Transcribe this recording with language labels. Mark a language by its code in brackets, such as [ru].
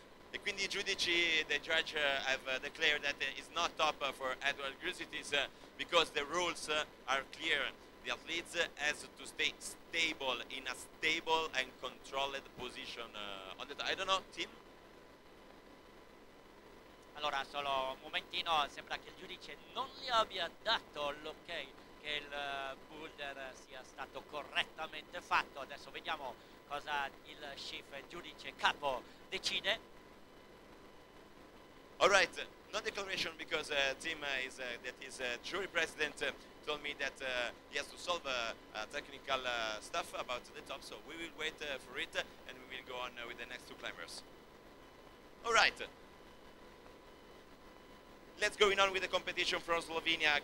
[it] E quindi i giudici, [en] the judge have declared that it's not top for Edward Grizzities because the rules are clear. The athletes has to stay stable in a stable and controlled position. I don't know, team? [it] Allora, solo un momentino, sembra che il giudice non gli abbia dato l'ok che il boulder sia stato correttamente fatto. Adesso vediamo cosa il chief giudice capo decide. [en] All right, no declaration because Tim is that is jury president told me that he has to solve technical stuff about the top, so we will wait for it and we will go on with the next two climbers. All right, let's going on with the competition from Slovenia.